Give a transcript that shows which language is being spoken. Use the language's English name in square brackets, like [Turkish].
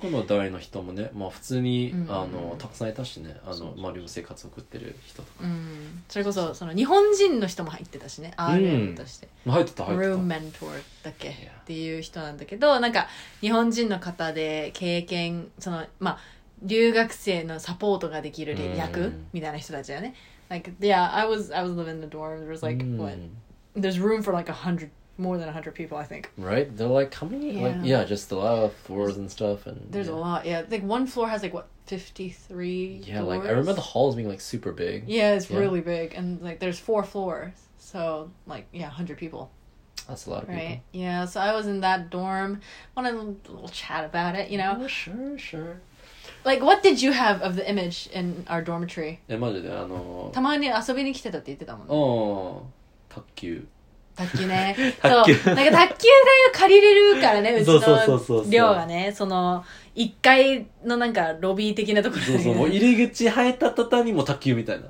[Japanese] まあ、僕の代の人もね、まあ、普通に、うん、たくさんいたしね、まあ、寮生活送ってる人とか、うん、それこ その日本人の人も入ってたしね、うん、RM として入ってた、ルームメントルだけっていう人なんだけど、なんか日本人の方で経験、そのまあ留学生のサポートができる役、うん、みたいな人たちだね。 [English] Like, yeah, I was living in the dorm. There was like, there's room for like 100, more than 100 people, I think. Right? They're like, how many? Yeah, like, yeah, just a lot of floors and stuff. And, there's、yeah. a lot, yeah. Like, one floor has like, what, 53 Yeah,、doors? Like, I remember the halls being like super big. Yeah, it's yeah. really big. And like, there's four floors. So, like, yeah, 100 people. That's a lot of people. Right? Yeah, so I was in that dorm. Wanted a little chat about it, you know? Oh, sure, sure. Like, what did you have of the image in our dormitory? [Japanese] え、マジで、たまに遊びに来てたって言ってたもんね。うん。卓球。卓球ね。そう。なんか卓球台を借りれるからね、うちの寮がね。そうその、1階のなんかロビー的なところで。そうそう。もう入り口入った途端にも卓球みたいな。